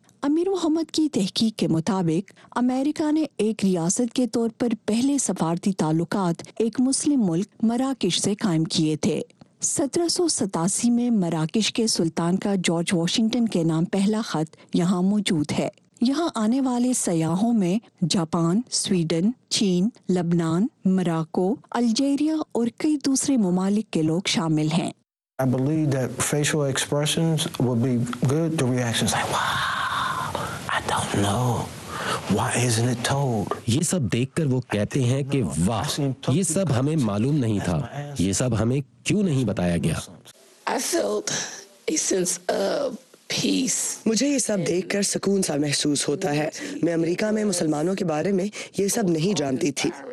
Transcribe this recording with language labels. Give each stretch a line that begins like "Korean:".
Urdu: امیر محمد کی تحقیق کے مطابق امریکہ نے ایک ریاست کے طور پر پہلے سفارتی تعلقات ایک مسلم ملک مراکش سے قائم کیے تھے۔ 1787 میں مراکش کے سلطان کا جارج واشنگٹن کے نام پہلا خط یہاں موجود ہے۔ یہاں آنے والے سیاحوں میں جاپان، سویڈن، چین، لبنان، مراکو، الجیریا اور کئی دوسرے ممالک کے لوگ شامل ہیں۔
English: I believe that facial expressions would be good. The reactions like, wow.
Urdu: یہ سب دیکھ کر وہ کہتے ہیں کہ واہ، یہ سب ہمیں معلوم نہیں تھا، یہ سب ہمیں کیوں نہیں بتایا گیا۔ مجھے یہ سب دیکھ کر سکون سا محسوس ہوتا ہے۔ میں امریکہ میں مسلمانوں کے بارے میں یہ سب نہیں جانتی تھی۔